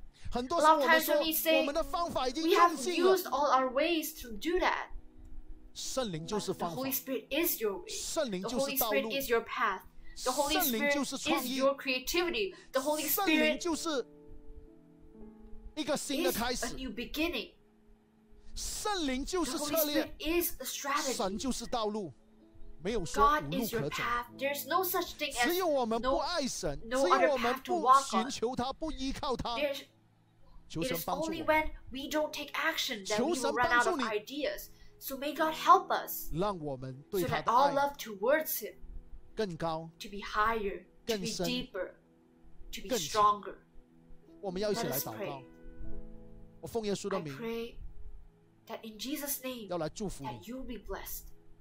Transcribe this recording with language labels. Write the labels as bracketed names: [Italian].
[Chinese] 很多时候我们说，我们的方法已经用尽了。 [English] We have used all our ways to do that. [Chinese] 圣灵就是方法 [English] The Holy Spirit is your way [Chinese] 圣灵就是道路 [English] The Holy Spirit is your path The Holy Spirit [Chinese] 圣灵就是创意 [English] is your creativity The Holy Spirit [Chinese] 圣灵就是一个新的开始 [English] is a new beginning [Chinese] 圣灵就是策略 [English] The Holy Spirit is the strategy [Chinese] 神就是道路没有说无路可走 [English] God is your path There's no such thing as [Chinese] 只有我们不爱神 [English] no other path [Chinese] 只有我们不寻求他不依靠他 [English] It is only when we don't take action that we will run out of ideas So may God help us so that our love towards Him to be higher, to be deeper, to be stronger. Let us pray. I pray that in Jesus' name that you will be blessed.